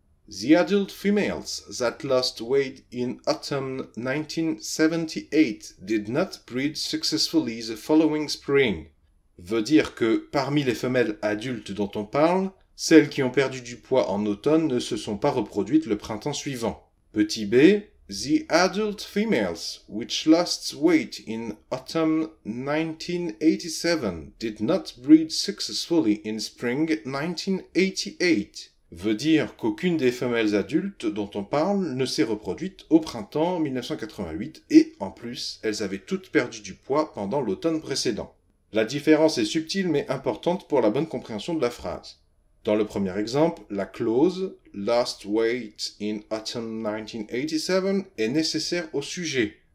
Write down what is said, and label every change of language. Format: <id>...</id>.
<en>The adult females that lost weight in autumn 1978 did not breed successfully the following spring.</en> <fr>Veut dire que parmi les femelles adultes dont on parle, celles qui ont perdu du poids en automne ne se sont pas reproduites le printemps suivant. Petit b.</fr> <en>The adult females which lost weight in autumn 1987 did not breed successfully in spring 1988</en> <fr>veut dire qu'aucune des femelles adultes dont on parle ne s'est reproduite au printemps 1988 et, en plus, elles avaient toutes perdu du poids pendant l'automne précédent. La différence est subtile mais importante pour la bonne compréhension de la phrase. Dans le premier exemple, la clause «</fr> <en>lost weight in autumn 1987</en> <fr>» est nécessaire au sujet.</fr>